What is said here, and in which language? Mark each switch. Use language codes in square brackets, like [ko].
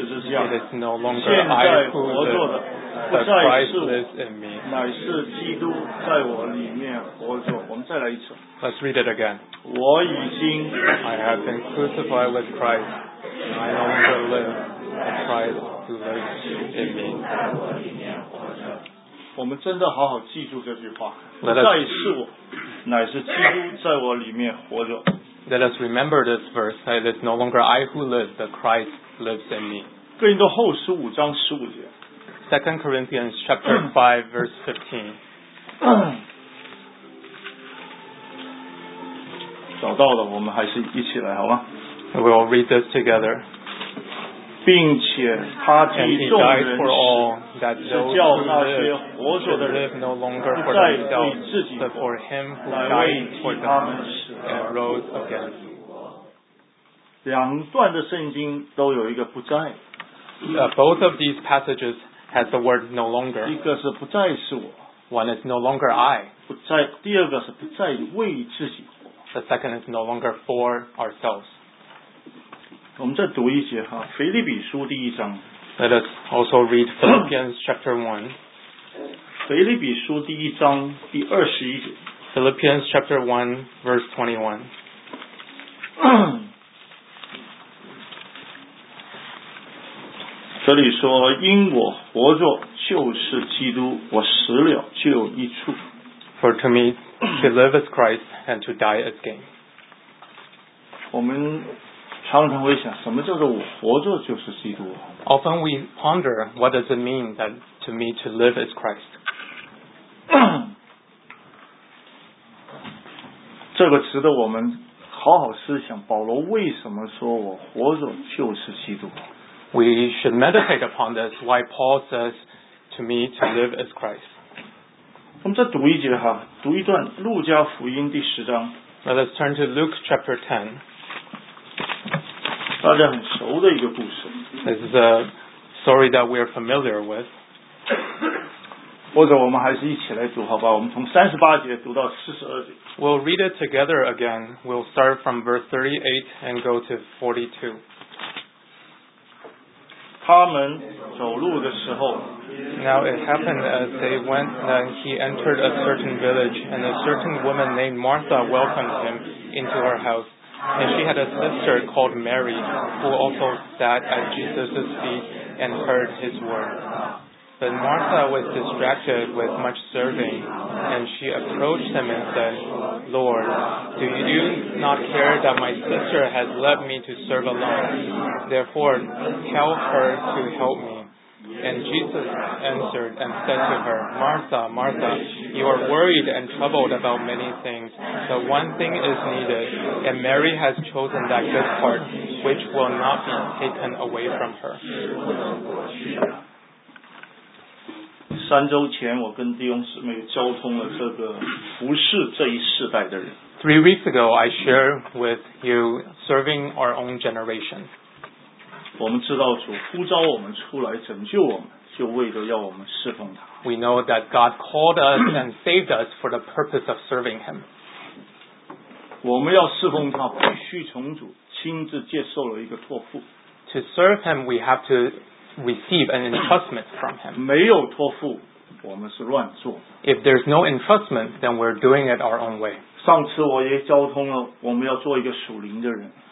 [en] It is no longer I who live, but Christ lives in me. [zh] 乃是基督在我里面活着。我们再来一次。 [en] Let's read it again. I have been crucified with Christ. I no longer live, but Christ lives in me. [zh] 我们真的好好记住这句话。再是我，乃是基督在我里面活着。 [en] Let us remember this verse. It is no longer I who live, but Christ lives in me. [zh] 哥林多后书五章十五节。 [en] Second Corinthians chapter 5 verse 15. [zh] 找到了，我们还是一起来好吗 [en] ？We'll read this together. [zh] 并且他替众人死，是叫那些活着的人不再为自己活，乃为替他们死。两段的圣经都有一个不再。 [en] Both of these passages has the word no longer. [zh] 一个是不再是我。 [en] One is no longer I. [zh] 不再，第二个是不再为自己活。 [en] The second is no longer for ourselves. [zh] 我们再读一节哈，腓立比书第一章。 [en] Let us also read Philippians chapter 1. [zh] 腓立比书第一章第二十一节。 [en] Philippians chapter 1, verse 21. [zh] 这里说，因我活着就是基督，我死了就有益处。 [en] For to me to live is Christ, and to die is gain. [zh] 我们常常会想，什么叫做我活着就是基督 [en] ？Often we ponder what does it mean that to me to live is Christ. [zh] 这个值得我们好好思想。保罗为什么说我活着就是基督 [en] ？We should meditate upon this. Why Paul says to me to live is Christ. [zh] 我们再读一节哈，读一段路加福音第十章。 [en] Let us turn to Luke chapter 10. [zh] 大家很熟的一个故事。 [en] This is a story that we are familiar with. [zh] 或者我们还是一起来读好吧？我们从三十八节读到四十二节。 [en] We'll read it together again. We'll start from verse 38 and go to 42. [zh] 他们走路的时候 [en] Now it happened as they went that he entered a certain village and a certain woman named Martha welcomed him into her house. And she had a sister called Mary who also sat at Jesus' feet and heard his word. But Martha was distracted with much serving, and she approached him and said, Lord, do you not care that my sister has left me to serve alone? Therefore, tell her to help me. And Jesus answered and said to her, Martha, Martha, you are worried and troubled about many things, but one thing is needed, and Mary has chosen that good part, which will not be taken away from her. [zh] 三周前我跟弟兄姊妹交通了这个服侍这一世代的人。 [en] Three weeks ago, I shared with you serving our own generation. [zh] 我们知道主呼召我们出来拯救我们，就为了要我们侍奉他。 [en] We know that God called us and saved us for the purpose of serving him. [zh] 我们要侍奉他，必须从主亲自接受了一个托付。 [en] To serve him, we have to... receive an entrustment from him. [zh] 没有托付，我们是乱做。 [en] If there's no entrustment, then we're doing it our own way. [zh] 上次我也交通了，我们要做一个属灵的人。